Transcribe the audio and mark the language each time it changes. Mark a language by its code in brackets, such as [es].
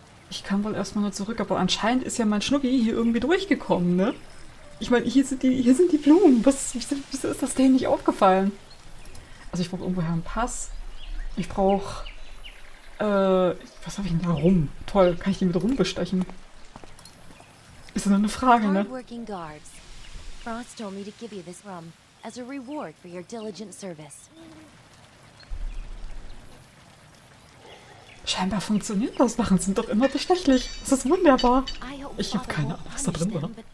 [de] Ich kann wohl erstmal nur zurück, aber anscheinend ist ja mein Schnuppi hier irgendwie durchgekommen, ne? Ich meine, hier sind die Blumen. Wieso ist das denen nicht aufgefallen? Also ich brauche irgendwoher einen Pass. Ich brauche... was habe ich denn da rum? Toll, kann ich die mit rumbestechen? Ist nur eine Frage, ne? [en] Hardworking guards. Frost told me to give you this rum as a reward for your diligent service. [de] Scheinbar funktioniert das. Machen sind doch immer bestechlich. Das ist wunderbar. Ich habe keine Ahnung, was da drin war.